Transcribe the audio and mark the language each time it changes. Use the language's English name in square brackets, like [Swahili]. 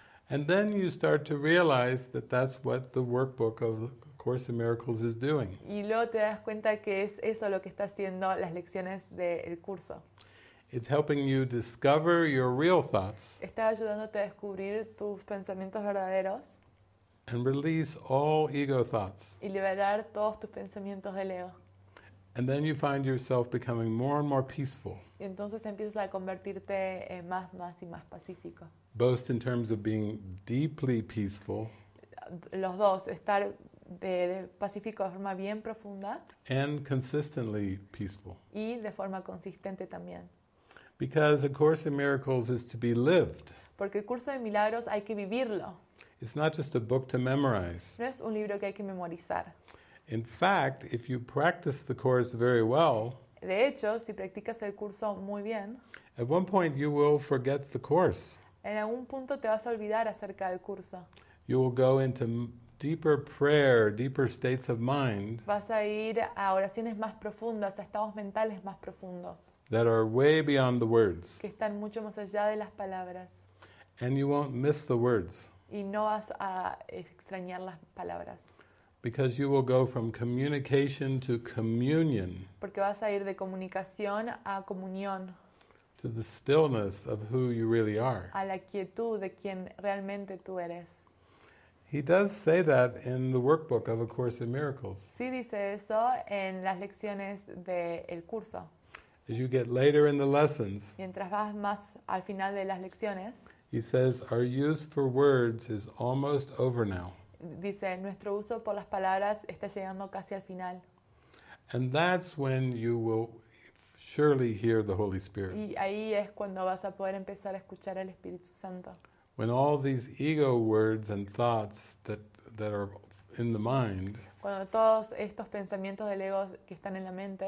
[English] And then you start to realize that that's what the workbook of the Course in Miracles is doing. [Spanish] Y luego te das cuenta que es eso lo que está haciendo las lecciones del curso. [English] It's helping you discover your real thoughts. [Spanish] Está ayudándote a descubrir tus pensamientos verdaderos. [English] And release all ego thoughts. [Spanish] Y liberar todos tus pensamientos del ego. [English] And then you find yourself becoming more and more peaceful. [Spanish] Y entonces empiezas a convertirte en más y más pacífico. [English] Both in terms of being deeply peaceful. [Spanish] Los dos, estar de pacífico de forma bien profunda. [English] And consistently peaceful. [Spanish] Y de forma consistente también. [English] Because a Course in Miracles is to be lived. [Spanish] Porque el curso de milagros hay que vivirlo. [English] It's not just a book to memorize. [Spanish] No es un libro que hay que memorizar. [English] In fact, if you practice the course very well, [Spanish] de hecho, si practicas el curso muy bien, [English] at one point you will forget the course. [Spanish] En algún punto te vas a olvidar acerca del curso. [English] You will go into deeper prayer, deeper states of mind. [Spanish] Vas a ir a oraciones más profundas, a estados mentales más profundos. [English] That are way beyond the words. [Spanish] Que están mucho más allá de las palabras. [English] And you won't miss the words. [Spanish] Y no vas a extrañar las palabras. [English] Because you will go from communication to communion. [Spanish] Porque vas a ir de comunicación a comunión. [English] To the stillness of who you really are. [Spanish] A la quietud de quien realmente tú eres. [English] He does say that in the workbook of A Course in Miracles. [Spanish] Sí dice eso en las lecciones del curso. [English] As you get later in the lessons. [Spanish] Mientras vas más al final de las lecciones. [English] He says, our use for words is almost over now. [Spanish] Dice, nuestro uso por las palabras está llegando casi al final. [English] And that's when you will surely hear the Holy Spirit. [Spanish] Y ahí es cuando vas a poder empezar a escuchar al Espíritu Santo. [English] When all these ego words and thoughts that are in the mind, [Spanish] cuando todos estos pensamientos del ego que están en la mente,